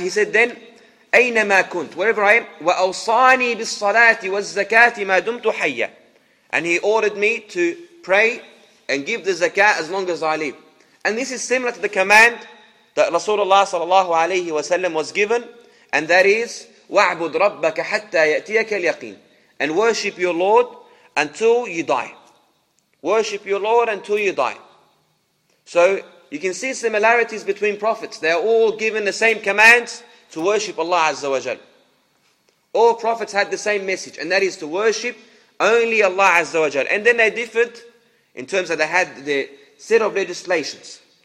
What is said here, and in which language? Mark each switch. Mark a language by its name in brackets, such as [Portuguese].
[English] He said then, [Arabic] أَيْنَمَا كُنْتُ. [English] Wherever I am. [Arabic] وَأَوْصَانِي بِالصَّلَاةِ وَالزَّكَاةِ مَا دُمْتُ حَيَّا. [English] And he ordered me to pray and give the zakah as long as I live. And this is similar to the command that Rasulullah sallallahu alayhi wa sallam was given And that is, [Arabic] وَاعْبُدْ رَبَّكَ حَتَّى يَأْتِيَكَ الْيَقِينَ. [English] And worship your Lord until you die. Worship your Lord until you die. So you can see similarities between prophets. They are all given the same commands to worship Allah Azza wa Jal. All prophets had the same message, and that is to worship only Allah Azza wa Jal. And then they differed in terms of they had the set of legislations.